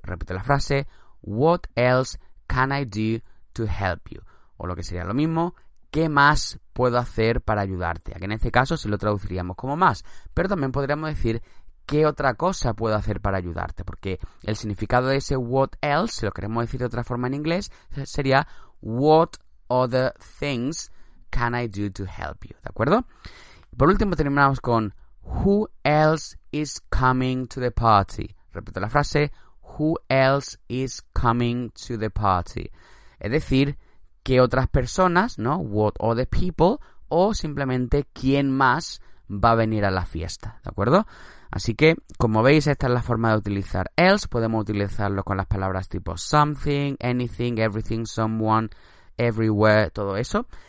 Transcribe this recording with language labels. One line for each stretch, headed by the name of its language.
Spanish: Repito la frase,
English: what else can I do to help you?
Spanish: O lo que sería lo mismo, ¿qué más puedo hacer para ayudarte? Aquí en este caso sí lo traduciríamos como más, pero también podríamos decir, ¿qué otra cosa puedo hacer para ayudarte? Porque el significado de ese
English: what else,
Spanish: si lo queremos decir de otra forma en inglés, sería
English: what other things can I do to help you?
Spanish: ¿De acuerdo? Por último, terminamos con
English: who else is coming to the party?
Spanish: Repito la frase,
English: who else is coming to the party?
Spanish: Es decir, ¿qué otras personas, no?
English: What other people,
Spanish: o simplemente, ¿quién más va a venir a la fiesta? ¿De acuerdo? Así que, como veis, esta es la forma de utilizar else. Podemos utilizarlo con las palabras tipo something, anything, everything, someone, everywhere, todo eso.